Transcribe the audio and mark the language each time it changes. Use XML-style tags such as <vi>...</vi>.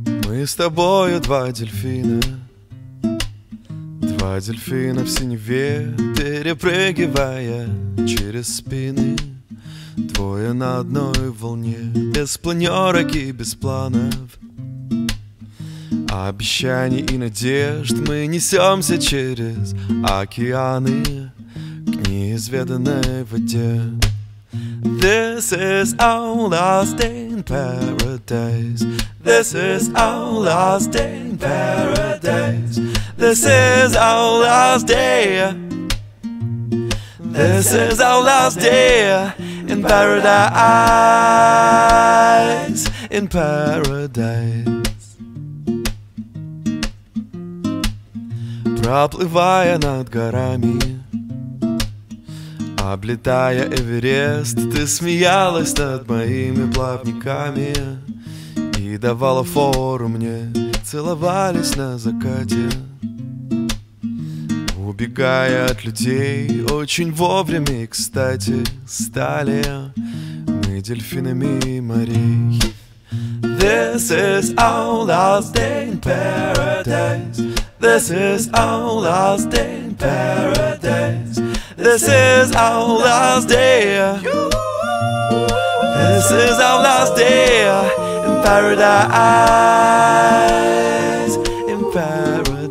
<ru>с тобою два дельфина. Два дельфина в синеве, перепрыгивая через спины. Двое на одной волне, без планерок и без планов. Обещаний и надежд мы несемся через океаны к неизведанной воде.</ru> <en>This is our last day in paradise. This is our last day in paradise. This is our last day. This is our last day in paradise. In paradise.</en> <ru>Проплывая над горами, облетая Эверест, ты смеялась над моими плавниками и давала фору мне, целовались на закате. Убегая от людей, очень вовремя и кстати стали мы дельфинами морей.</ru> <en>This is our last day in paradise. This is our last day in paradise. This is our last day. This is our last day in paradise. In paradise.</en>